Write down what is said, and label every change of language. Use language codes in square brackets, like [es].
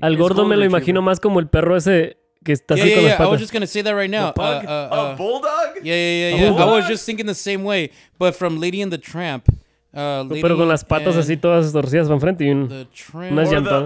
[es] Al gordo me lo imagino más como el perro ese que está así con las patas. [en] I was just gonna say that right now. A bulldog. Yeah. I was just thinking the same way, but from Lady and the Tramp. [es] Pero con las patas así todas torcidas van frente y unas llantadas.